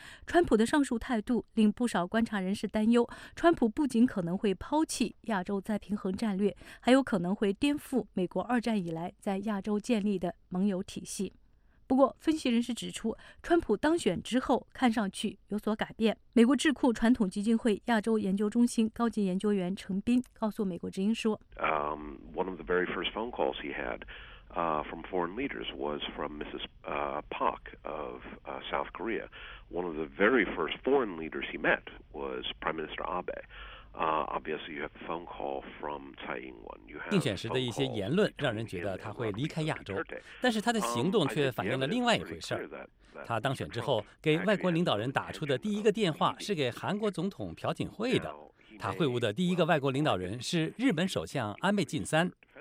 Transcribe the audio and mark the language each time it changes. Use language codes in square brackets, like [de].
[zh] 川普的上述态度令不少观察人士担忧，川普不仅可能会抛弃亚洲再平衡战略，还有可能会颠覆美国二战以来在亚洲建立的盟友体系。不过，分析人士指出，川普当选之后看上去有所改变。美国智库传统基金会亚洲研究中心高级研究员陈斌告诉美国之音说 [en] ：“One of the very first phone calls he had from foreign leaders was from Mrs. Park of South Korea. One of the very first foreign leaders he met was Prime Minister Abe.” Obviously, you have phone call from Tsai Ing-wen. [zh] 竞选时的一些言论让人觉得他会离开亚洲，但是他的行动却反映了另外一回事。他当选之后给外国领导人打出的第一个电话是给韩国总统朴槿惠的。他会晤的第一个外国领导人是日本首相安倍晋三。